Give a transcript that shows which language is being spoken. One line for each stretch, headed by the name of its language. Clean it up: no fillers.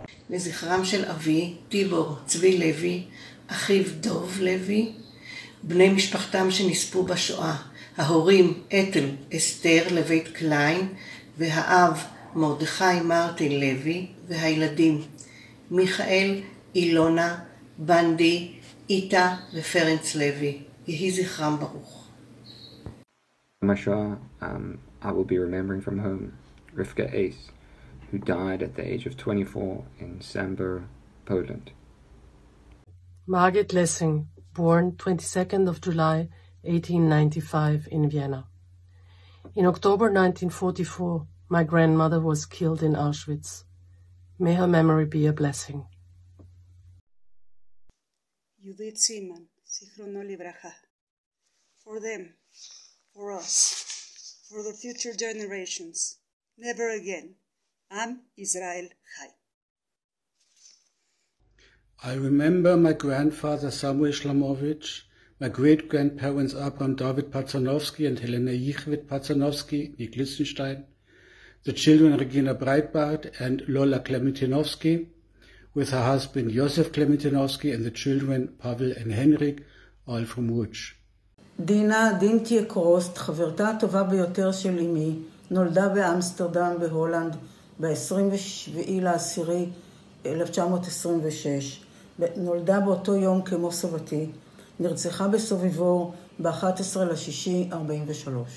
Hebrew: לזכרם של אבי, טיבור צבי לוי, אחיו דוב לוי, בני משפחתם שנספו בשואה, ההורים אתל אסתר לבית קליין, והאב מרדכי מרטין לוי, והילדים מיכאל, אילונה, בנדי, איטה ופרנץ לוי. יהי זכרם ברוך.
English: I will be remembering from home Rivka Ace, who died at the age of 24 in Sambor, Poland. Margit Lessing, born 22nd of July 1895 in Vienna. In October 1944, my grandmother was killed in Auschwitz. May her memory be a blessing. Judith Seaman,
Hebrew: Zichrono Livracha.
English: For them, for us, for the future generations, never again.
Hebrew: Am Israel Chai.
English: I remember my grandfather Samuel Shlomovich, my great-grandparents Abraham David Patsanovsky and Helena Yichvit Patsanovsky, Nick Lichtenstein, the children Regina Breitbart and Lola Klementinovsky, with her husband Josef Klementinovsky and the children Pavel and Henrik, all from Łódź.
Hebrew: Dina Dinkie Krost, חברתה הטובה ביותר של אמי, נולדה באמסטרדם בהולנד, ב-27/10/1926, נולדה באותו יום כמו סבתי, נרצחה בסוביבו ב-11/6/43.